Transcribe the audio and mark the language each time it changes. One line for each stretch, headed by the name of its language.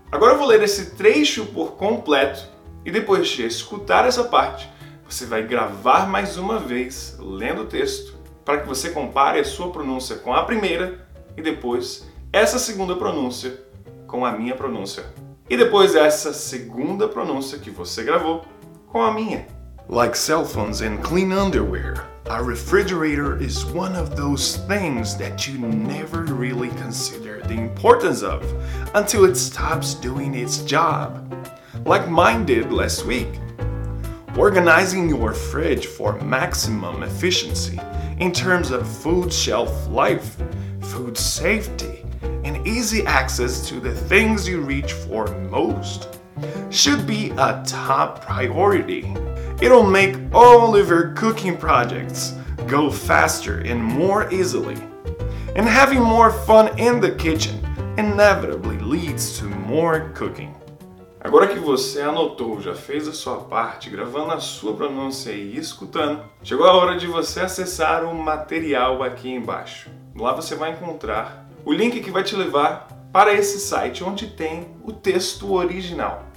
Portuguese: Agora eu vou ler esse trecho por completo e depois de escutar essa parte, você vai gravar mais uma vez lendo o texto para que você compare a sua pronúncia com a primeira e depois essa segunda pronúncia com a minha pronúncia. E depois essa segunda pronúncia que você gravou com a minha.
English: Like cell phones and clean underwear, a refrigerator is one of those things that you never really consider the importance of until it stops doing its job, like mine did last week. Organizing your fridge for maximum efficiency in terms of food shelf life, food safety, and easy access to the things you reach for most should be a top priority. It'll make all of your cooking projects go faster and more easily. And having more fun in the kitchen inevitably leads to more cooking.
Portuguese: Agora que você anotou, já fez a sua parte, gravando a sua pronúncia e escutando, chegou a hora de você acessar o material aqui embaixo. Lá você vai encontrar o link que vai te levar para esse site onde tem o texto original.